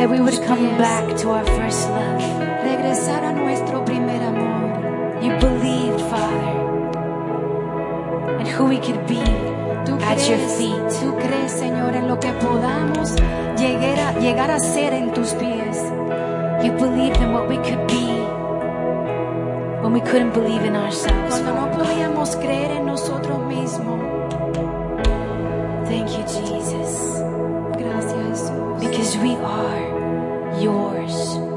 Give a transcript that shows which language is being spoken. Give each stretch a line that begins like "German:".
English: that we would come back to our first love.
Spanish: Regresar a nuestro primer amor.
English: You believed, Father, in who we could be
Spanish: tú
English: at
Spanish: crees,
English: your feet.
Spanish: Tú crees, Señor, en lo que podamos llegar a ser en tus pies.
English: You believed in what we could be when we couldn't believe in ourselves.
Spanish: Cuando no podíamos creer en nosotros mismos.
English: Thank you, Jesus.
Spanish: Gracias, Jesús.
English: Because we are yours.